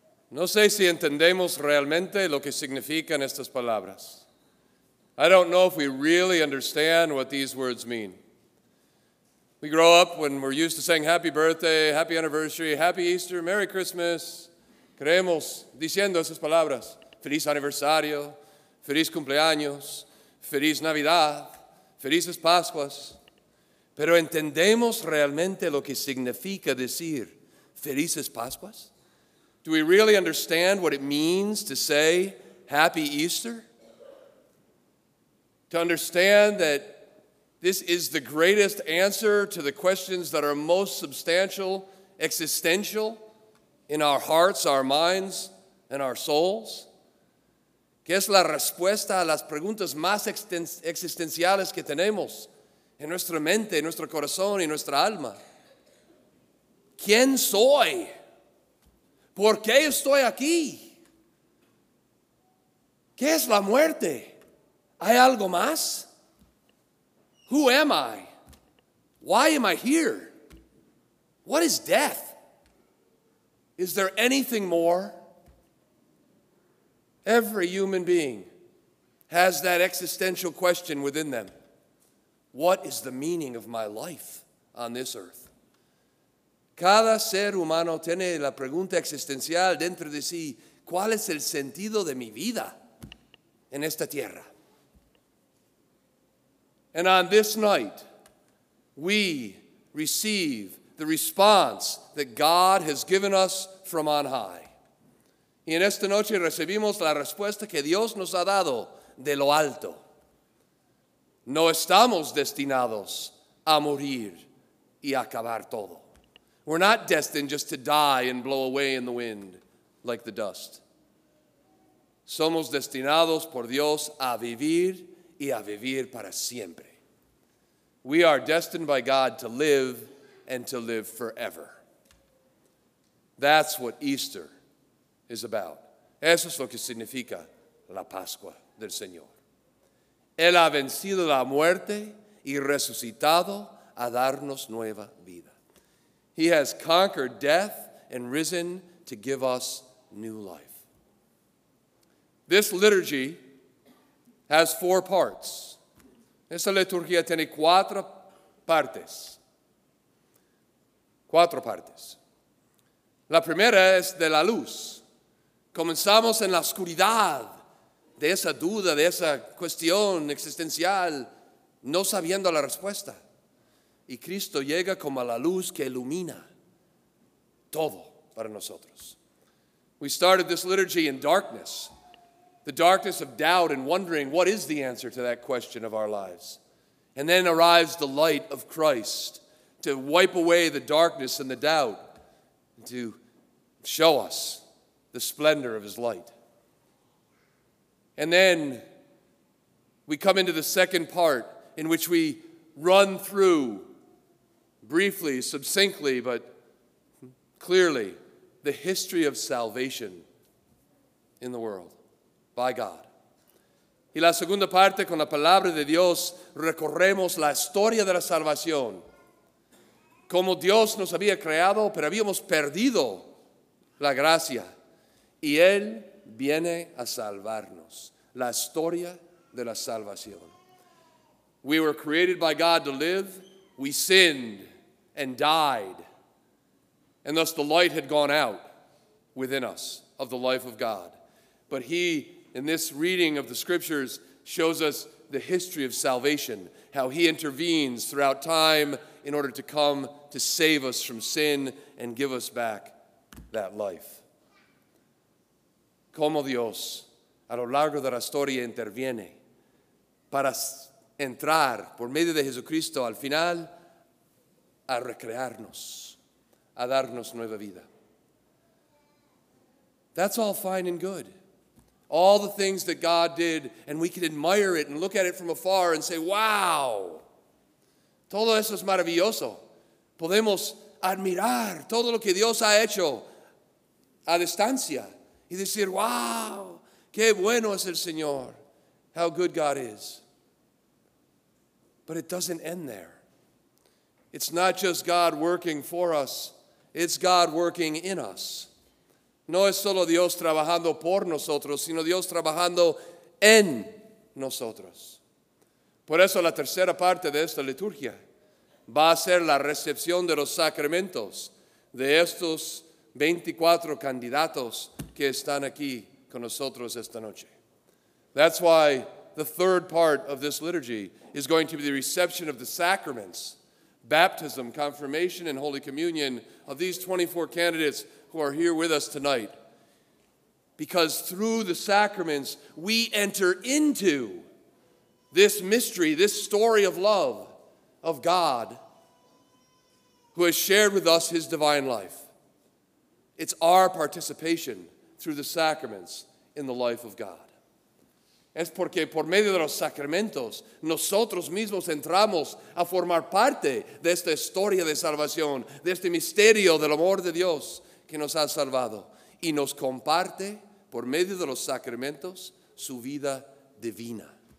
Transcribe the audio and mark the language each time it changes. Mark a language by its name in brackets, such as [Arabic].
[Spanish] No sé si entendemos realmente lo que significan estas palabras. [English] I don't know if we really understand what these words mean. We grow up when we're used to saying happy birthday, happy anniversary, happy Easter, Merry Christmas. [Spanish] Creemos diciendo esas palabras. Feliz aniversario. Feliz cumpleaños, feliz Navidad, felices Pascuas. Pero ¿entendemos realmente lo que significa decir felices Pascuas? [English] Do we really understand what it means to say happy Easter? To understand that this is the greatest answer to the questions that are most substantial, existential in our hearts, our minds, and our souls? [Spanish] Que es la respuesta a las preguntas más existenciales que tenemos en nuestra mente, en nuestro corazón y nuestra alma. ¿Quién soy? ¿Por qué estoy aquí? ¿Qué es la muerte? ¿Hay algo más? [English] Who am I? Why am I here? What is death? Is there anything more? Every human being has that existential question within them. What is the meaning of my life on this earth? [Spanish] Cada ser humano tiene la pregunta existencial dentro de sí. ¿Cuál es el sentido de mi vida en esta tierra? [English] And on this night, we receive the response that God has given us from on high. [Spanish] Y en esta noche recibimos la respuesta que Dios nos ha dado de lo alto. No estamos destinados a morir y acabar todo. [English] We're not destined just to die and blow away in the wind like the dust. [Spanish] Somos destinados por Dios a vivir y a vivir para siempre. [English] We are destined by God to live and to live forever. That's what Easter is about. [Spanish] Eso es lo que significa la Pascua del Señor. Él ha vencido la muerte y resucitado a darnos nueva vida. [English] He has conquered death and risen to give us new life. This liturgy has four parts. [Spanish] Esta liturgia tiene cuatro partes. Cuatro partes. La primera es de la luz. Comenzamos en la oscuridad de esa duda, de esa cuestión existencial, no sabiendo la respuesta. Y Cristo llega como la luz que ilumina todo para nosotros. [English] We started this liturgy in darkness, the darkness of doubt and wondering what is the answer to that question of our lives. And then arrives the light of Christ to wipe away the darkness and the doubt, to show us the splendor of his light. And then we come into the second part in which we run through briefly, succinctly, but clearly the history of salvation in the world by God. [Spanish] Y la segunda parte, con la palabra de Dios, recorremos la historia de la salvación. Como Dios nos había creado, pero habíamos perdido la gracia. Y Él viene a salvarnos. La historia de la salvación. [English] We were created by God to live. We sinned and died. And thus the light had gone out within us of the life of God. But He, in this reading of the scriptures, shows us the history of salvation, how He intervenes throughout time in order to come to save us from sin and give us back that life. [Spanish] Como Dios a lo largo de la historia interviene para entrar por medio de Jesucristo al final a recrearnos, a darnos nueva vida. [English] That's all fine and good. All the things that God did, and we can admire it and look at it from afar and say, wow, [Spanish] todo eso es maravilloso. Podemos admirar todo lo que Dios ha hecho a distancia. Y decir, wow, qué bueno es el Señor. [English] how good God is. But it doesn't end there. It's not just God working for us, it's God working in us. [Spanish] No es solo Dios trabajando por nosotros, sino Dios trabajando en nosotros. Por eso la tercera parte de esta liturgia va a ser la recepción de los sacramentos de estos 24 candidatos que están aquí con nosotros esta noche. [English] That's why the third part of this liturgy is going to be the reception of the sacraments, baptism, confirmation, and Holy Communion of these 24 candidates who are here with us tonight. Because through the sacraments, we enter into this mystery, this story of love of God who has shared with us his divine life. It's our participation through the sacraments in the life of God. [Spanish] Es porque por medio de los sacramentos, nosotros mismos entramos a formar parte de esta historia de salvación, de este misterio del amor de Dios que nos ha salvado y nos comparte por medio de los sacramentos su vida divina.